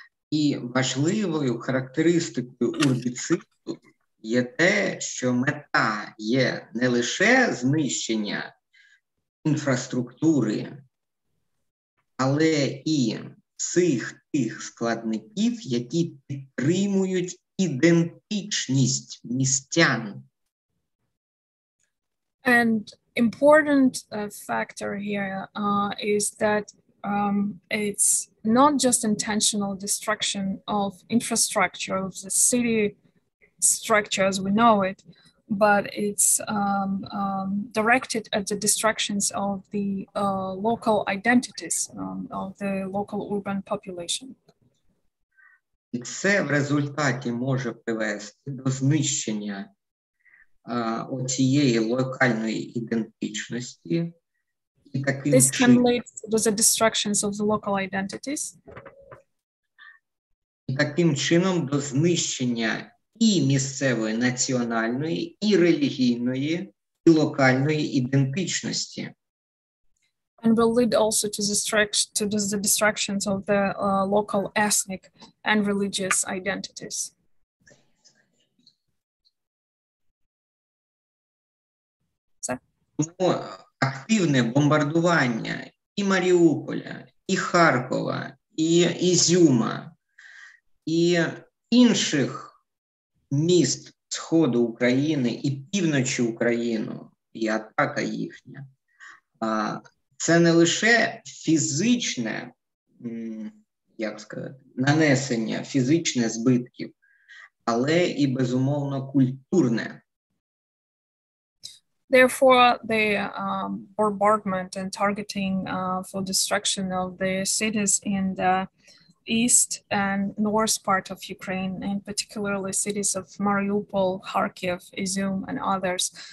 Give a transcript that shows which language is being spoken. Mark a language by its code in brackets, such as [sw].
[uk] І важливою характеристикою урбіциду є те, що мета є не лише знищення інфраструктури, але і всіх тих складників, які підтримують ідентичність містян. [en] And important factor here is that it's not just intentional destruction of infrastructure, of the city structure as we know it, but it's directed at the destructions of the local identities, of the local urban population. [uk] І це в результаті може привести до знищення оцієї локальної ідентичності. І таким [en] this can lead to the destructions of the local identities. [uk] І таким чином до знищення і місцевої національної, і релігійної, і локальної ідентичності. [en] And will lead also to the destructions of the local ethnic and religious identities. [uk] Тому активне бомбардування і Маріуполя, і Харкова, і Ізюма, і інших міст Сходу України і Півночі України, і атака їхня. Це не лише фізичне, як сказати, нанесення фізичне збитків, але і безумовно культурне. [en] Therefore, the bombardment and targeting for destruction of the cities in the east and north part of Ukraine, and particularly cities of Mariupol, Kharkiv, Izum and others.